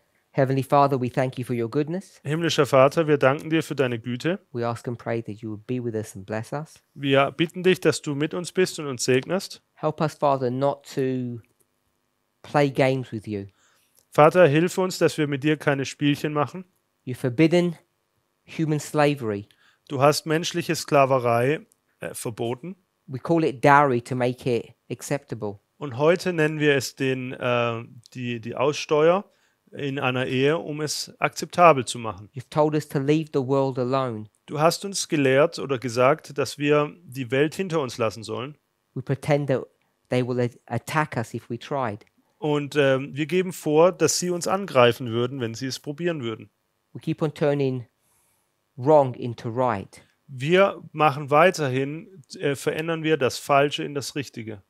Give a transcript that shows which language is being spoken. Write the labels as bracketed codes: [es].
[en] Heavenly Father, we thank you for your goodness. [de] Himmlischer Vater, wir danken dir für deine Güte. [en] We ask and pray that you would be with us and bless us. [de] Wir bitten dich, dass du mit uns bist und uns segnest. [en] Help us, Father, not to play games with you. [de] Vater, hilf uns, dass wir mit dir keine Spielchen machen. [en] You forbidden human slavery. [de] Du hast menschliche Sklaverei verboten. [en] We call it dowry to make it acceptable. [de] Und heute nennen wir es die Aussteuer in einer Ehe, um es akzeptabel zu machen. [en] You've told us to leave the world alone. [de] Du hast uns gelehrt oder gesagt, dass wir die Welt hinter uns lassen sollen. [en] We pretend that they will attack us if we tried. [de] Und wir geben vor, dass sie uns angreifen würden, wenn sie es probieren würden. [en] We keep on turning wrong into right. [de] Wir machen weiterhin, verändern wir das Falsche in das Richtige.